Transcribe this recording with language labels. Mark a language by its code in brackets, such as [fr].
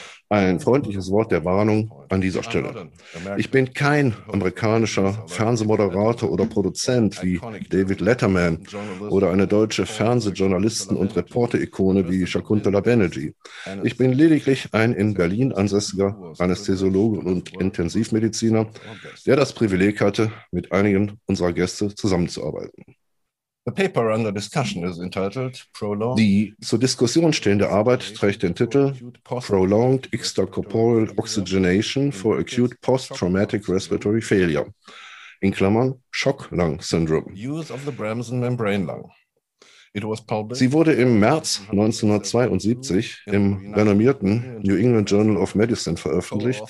[de] Ein freundliches Wort der Warnung an dieser Stelle. Ich bin kein amerikanischer Fernsehmoderator oder Produzent wie David Letterman oder eine deutsche Fernsehjournalistin und Reporter-Ikone wie Shakuntala Banerjee. Ich bin lediglich ein in Berlin ansässiger Anästhesiologe und Intensivmediziner, der das Privileg hatte, mit einigen unserer Gäste zusammenzuarbeiten. [en] The paper under discussion is entitled Prolonged. [de] Die zur Diskussion stehende Arbeit trägt den Titel Prolonged Extracorporeal Oxygenation for Acute Post-Traumatic Respiratory Failure, in Klammern Schock-Lung-Syndrom. Sie wurde im März 1972 im renommierten New England Journal of Medicine veröffentlicht.